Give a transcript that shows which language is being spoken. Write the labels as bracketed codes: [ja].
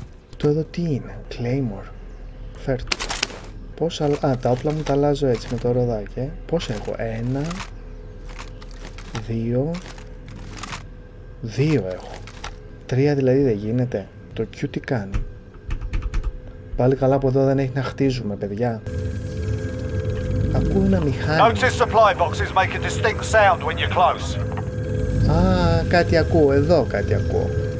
[el] Αυτό εδώ τι είναι, Claymore. Φέρτε. Πόσα, α, τα όπλα μου τα αλλάζω έτσι με το ροδάκι. Πόσα έχω, 1, 2, 2 έχω. 3 δηλαδή δεν γίνεται. Το Q τι κάνει. Πάλι καλά από εδώ δεν έχει να χτίζουμε, παιδιά. Ακούω ένα μηχάνημα. [en] Notice supply boxes make a distinct sound when you're close. [el] Α, κάτι ακούω, εδώ κάτι ακούω.